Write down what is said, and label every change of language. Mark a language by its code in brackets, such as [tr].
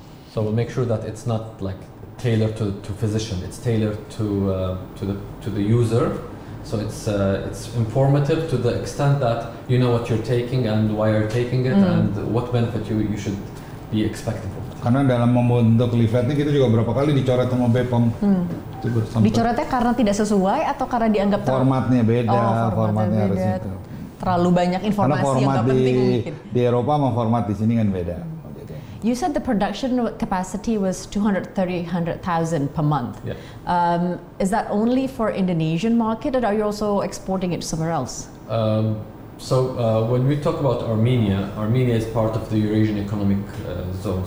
[en] So we'll make sure that it's not like tailored to physician. It's tailored to the user. So it's informative to the extent that you know what you're taking and why you're taking it and what benefit you should be expecting from it. [id] Karena dalam membentuk leaflet-nya kita juga berapa kali dicoret sama BPOM. Dicoretnya karena tidak sesuai atau karena dianggap formatnya beda, formatnya beda. Harus itu. Terlalu banyak informasi yang enggak penting mungkin. Di Eropa sama format di sini kan beda. [en] You said the production capacity was 230,000 per month. Yeah. Is that only for Indonesian market, or are you also exporting it somewhere else? So when we talk about Armenia is part of the Eurasian Economic Zone.